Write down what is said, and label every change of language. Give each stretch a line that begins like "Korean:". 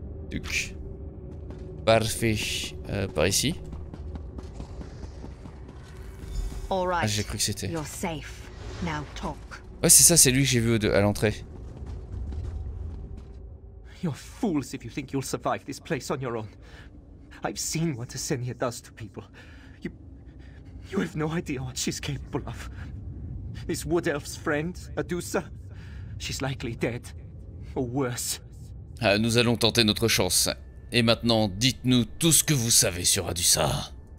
French: Duc. Parfait. Par ici. Ah, j'ai cru que c'était.
English: You're safe. Now talk.
French: Ouais, c'est ça, c'est lui que j'ai vu à l'entrée.
English: You're fools if you think you'll survive this place on your own. I've seen what Asenia does to people. You have no idea what she's capable of. This wood elf's friend, Adusa, she's likely dead. Or worse.
French: Nous allons tenter notre chance. Et maintenant, dites-nous tout ce que vous savez sur Adusa.